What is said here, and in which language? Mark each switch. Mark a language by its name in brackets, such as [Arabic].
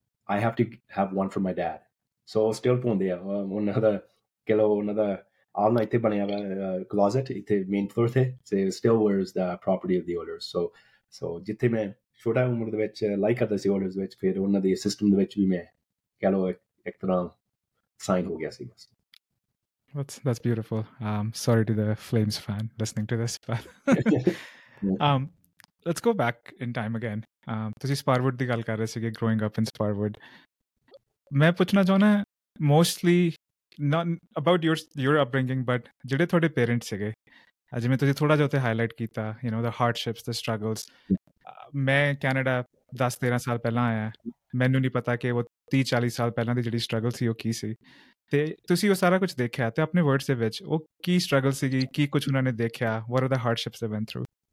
[English] I have to have one for my dad so still [Punjabi] ਪਾਉਂਦੇ ਆ ਉਹਨਾਂ ਦਾ ਕਹਿ ਲਓ ਉਹਨਾਂ ਦਾ ਆਲਣਾ ਇੱਥੇ ਬਣਿਆ ਵਾ ਕਲੋਜ਼ਟ ਇੱਥੇ ਮੇਨ ਫਲੋਰ 'ਤੇ ਅਤੇ [English] still where's the property of the Oilers [Punjabi] ਸੋ ਸੋ ਜਿੱਥੇ ਮੈਂ ਛੋਟਾ ਉਮਰ ਦੇ ਵਿੱਚ ਲਾਈਕ ਕਰਦਾ ਸੀ ਓਇਲਰਸ ਵਿੱਚ ਫਿਰ ਉਹਨਾਂ ਦੇ ਸਿਸਟਮ ਦੇ ਵਿੱਚ ਵੀ ਮੈਂ ਕਹਿ ਲਓ ਇੱਕ ਤਰ੍ਹਾਂ ਸਾਈਨ ਹੋ ਗਿਆ ਸੀ [English] That's beautiful. Sorry to the Flames fan listening to this. But let's go back in time again. [Punjabi] ਤੁਸੀਂ ਸਪਾਰਵੁੱਡ ਦੀ ਗੱਲ ਕਰ ਰਹੇ ਸੀਗੇ [English] growing up in Sparwood [Punjabi] ਮੈਂ ਪੁੱਛਣਾ ਚਾਹੁੰਦਾ [English] mostly about your upbringing but [Punjabi] ਜਿਹੜੇ ਤੁਹਾਡੇ ਪੇਰੈਂਟਸ ਸੀਗੇ ਜਿਵੇਂ ਤੁਸੀਂ ਥੋੜ੍ਹਾ ਜਿਹਾ ਉੱਥੇ ਹਾਈਲਾਈਟ ਕੀਤਾ [English] you know the hardships the struggles [Punjabi] ਮੈਂ ਕੈਨੇਡਾ 10-13 ਸਾਲ ਪਹਿਲਾਂ ਆਇਆ ਮੈਨੂੰ ਨਹੀਂ ਪਤਾ ਕਿ ਉਹ 30-40 ਸਾਲ ਪਹਿਲਾਂ ਦੀ ਜਿਹੜੀ ਸਟਰਗਲ ਸੀ ਉਹ ਕੀ ਸੀ ਅਤੇ ਤੁਸੀਂ ਉਹ ਸਾਰਾ ਕੁਛ ਦੇਖਿਆ ਅਤੇ ਆਪਣੇ ਵਰਡਸ ਦੇ ਵਿੱਚ ਉਹ ਕੀ ਸਟਰਗਲ ਸੀਗੀ ਕੀ ਕੁਛ ਉਹਨਾਂ ਨੇ ਦੇਖਿਆ [English] what are the hardships they went through